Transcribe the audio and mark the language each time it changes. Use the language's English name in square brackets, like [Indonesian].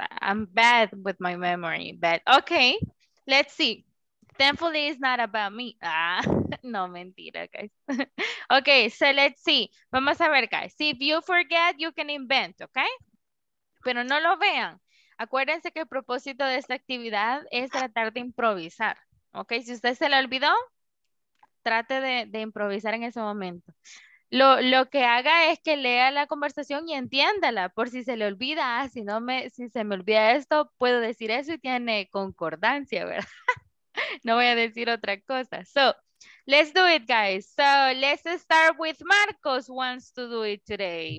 [English] I'm bad with my memory, but okay, let's see. Thankfully, it's not about me. [Spanish] Ah, no, mentira, [English] guys. Okay, so let's see. [Spanish] Vamos a ver, [English] guys. See, if you forget, you can invent, okay? [Spanish] Pero no lo vean. Acuérdense que el propósito de esta actividad es tratar de improvisar, ¿ok? Si usted se le olvidó, trate de improvisar en ese momento. Lo que haga es que lea la conversación y entiéndala, por si se le olvida, si se me olvida esto, puedo decir eso y tiene concordancia, ¿verdad? No voy a decir otra cosa. [English] So, let's do it, [Spanish] guys. [English] So, let's start with Marcos wants to do it today.